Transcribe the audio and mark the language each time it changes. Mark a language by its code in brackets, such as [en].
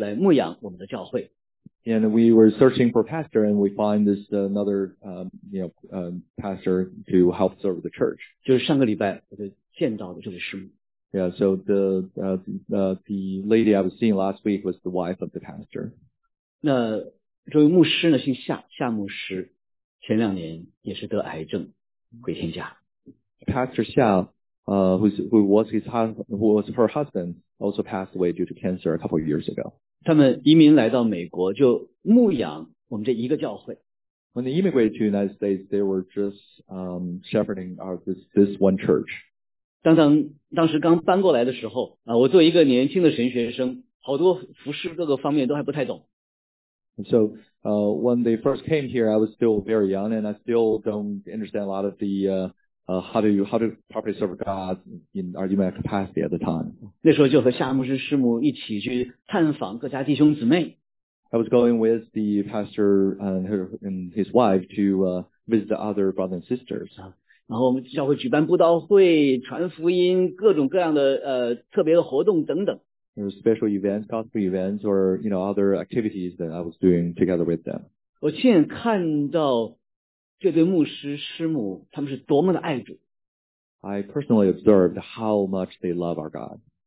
[zh] 然后教会呢，聘牧就又聘请来，这个寻来一对牧者夫妻来牧养我们的教会。And [en] we were searching for pastor, and we find this another, pastor to help serve the church. [zh] 就是上个礼拜我就见到了这位师母。Yeah, [en] so the lady I was seeing last week was the wife of the pastor. [zh] 那这位牧师呢，姓夏，夏牧师，前两年也是得癌症回天家。 [en] Pastor Xia, who was her husband, also passed away due to cancer a couple of years ago. [zh] 他们移民来到美国, 就牧养我们这一个教会。 [en] When they immigrated to the United States, they were just shepherding this one church. [zh] 当时刚搬过来的时候, 我作为一个年轻的神学生, 好多服事各个方面都还不太懂。 [en] So when they first came here, I was still very young, and I still don't understand a lot of the how to properly serve God in our human capacity at the time. [zh] 那时候就和夏牧师师母一起去探访各家弟兄姊妹。 [en] I was going with the pastor and his wife to visit the other brothers and sisters. [zh] 然后我们教会举办布道会、传福音、各种各样的 特别的活动等等。 [en] There were special events, gospel events, or other activities that I was doing together with them. [zh] 我亲眼看到 这对牧师师母他们是多么的爱主。 [en] I personally observed how much they love our God.